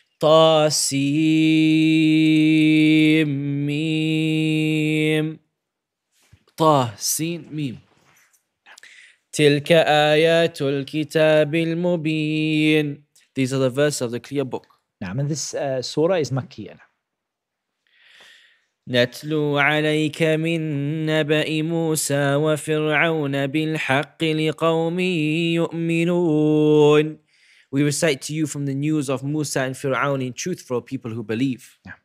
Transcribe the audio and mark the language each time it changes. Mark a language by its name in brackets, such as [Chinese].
[Arabic] Ta-seem-meem. Ta-seem-meem. تلك آيات الكتاب المبين. [English] These are the verses of the clear book. نعم and this surah is مكية. [Arabic] نتلو عليك من نبأ موسى وفرعون بالحق لقوم يؤمنون [English] We recite to you from the news of Musa and Fir'aun in truth for people who believe.